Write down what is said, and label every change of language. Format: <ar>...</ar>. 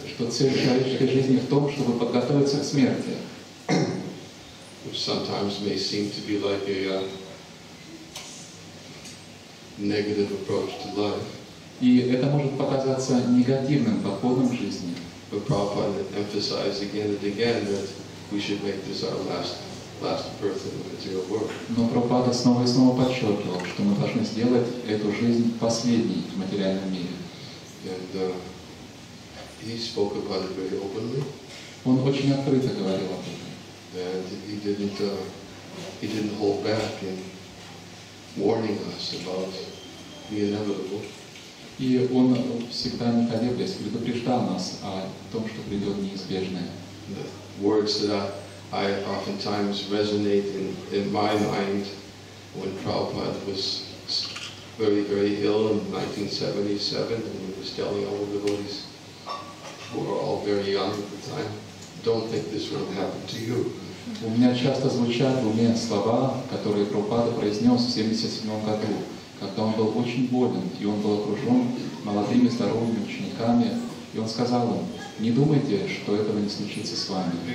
<ru>Что цель человеческой жизни в том, чтобы подготовиться к смерти.</ru> <en>Which sometimes may seem to be like a negative approach to life.</en> <ru>И это может показаться негативным подходом к жизни.</ru> <en>But Prabhupada emphasized again and again that we should make this our last birth in the material world.</en> <ru>Но Прабхупада снова и снова подчеркивал, что мы должны сделать эту жизнь последней в материальном мире.</ru> <en>And he spoke about it very openly.</en> <ru>Он очень открыто говорил об этом.</ru> <en>And he didn't hold back in warning us about the inevitable.</en> <ru>И он всегда не колеблясь предупреждал нас о том, что придет неизбежное.</ru> <en>The words that I oftentimes resonate in my mind when Prabhupada was very, very ill in 1977, and he was telling all the devotees who were all very young at the time, don't think this will happen to you.</en> <ru>У меня часто звучат в уме слова, которые Прабхупада произнес в 77 году, когда он был очень болен, и он был окружен молодыми, здоровыми учениками, и он сказал им, не думайте, что этого не случится с вами.</ru>